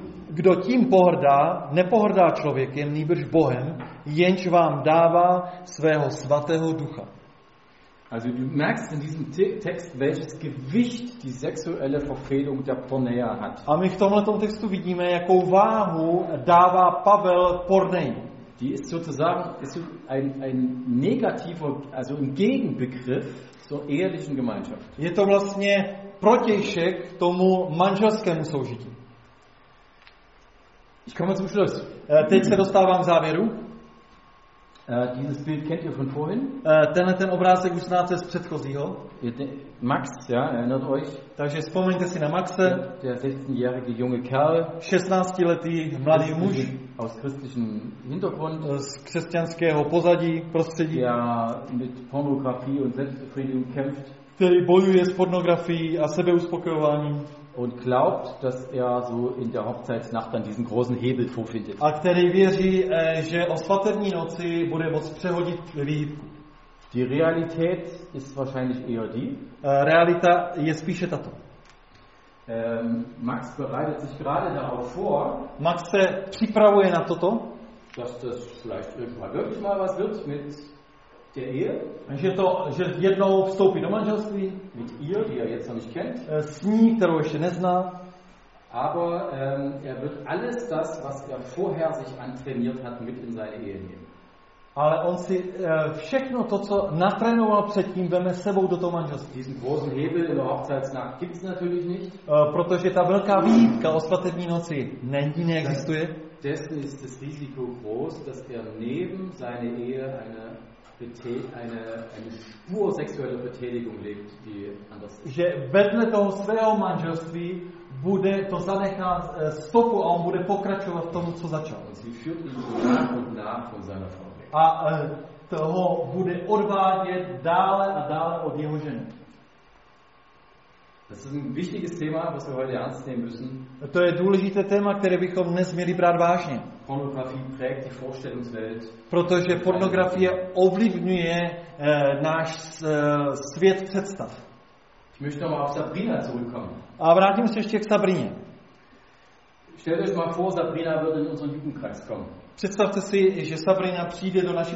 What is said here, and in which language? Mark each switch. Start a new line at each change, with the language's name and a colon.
Czech: Kdo tím pohrdá, nepohrdá člověkem, nýbrž Bohem, jenž vám dává svého svatého ducha.
German: Also du merkst in diesem Text, welches Gewicht die sexuelle Verfehlung der Porneia hat.
Czech: A my v tomhletom textu vidíme, jakou váhu dává Pavel Porneji.
German: Die ist sozusagen ist ein negativer, also ein Gegenbegriff zur ehelichen Gemeinschaft.
Czech: Je to vlastně protějšek tomu manželskému soužití.
German: Ich komme zum Schluss.
Czech: Teď se dostávám k závěru.
German: Dieses Bild kennt ihr von vorhin.
Czech: Tenhle ten obrázek už znáte z předchozího.
German: Max, ja, erinnert euch.
Czech: Takže vzpomeňte si na Maxe.
German: Der 16-jährige junge Kerl.
Czech: 16-letý mladý muž.
German: Aus christlichem Hintergrund.
Czech: Z křesťanského pozadí, prostředí.
German: Der mit Pornografie und Selbstbefriedigung kämpft.
Czech: Který bojuje s pornografií a sebeuspokojováním.
German: Und glaubt, dass er so in der Hochzeitsnacht dann diesen großen Hebel vorfindet.
Czech: A který věří, že o svatební noci bude moc přehodit výhybku.
German: Die Realität ist wahrscheinlich eher die.
Czech: Realita je spíše tato.
German: Max bereitet sich gerade darauf vor.
Czech: Max se připravuje na toto.
German: Dass das vielleicht irgendwann wirklich mal was wird mit der Ehe.
Czech: Že jednou vstoupí do manželství.
German: Mit ihr, die er jetzt noch nicht kennt.
Czech: S ní, kterou ještě nezná.
German: Aber er wird alles das, was er vorher sich antrainiert hat, mit in seine Ehe nehmen.
Czech: Ale on si všechno to, co natrénoval předtím, veme sebou do toho manželství.
German: Diesen großen Hebel in der Hochzeitsnacht gibt's natürlich nicht.
Czech: Protože ta velká výjimka o svatební noci není, neexistuje.
German: Dessen ist das Risiko groß, dass er neben seine Ehe eine Spur sexuelle Betätigung legt, die anders ist.
Czech: Že vedle toho svého manželství bude to zanechat stopu a on bude pokračovat v tom, co začal.
German: Und sie führt ihn so nach und nach von seiner Frau.
Czech: A toho bude odvádět dále a dále od jeho ženy.
German: Das ist ein wichtiges Thema, was wir heute ernst nehmen müssen.
Czech: To je důležité téma, které bychom dnes měli brát vážně.
German: Pornografie prägt die Vorstellungswelt.
Czech: Protože pornografie ovlivňuje náš svět představ.
German: Ich möchte mal auf Sabrina zurückkommen.
Czech: A vrátím se ještě k Sabrině.
German: Stellt euch mal vor, Sabrina wird in unseren Jugendkreis kommen.
Czech: Představte si, že Sabrina přijde do naší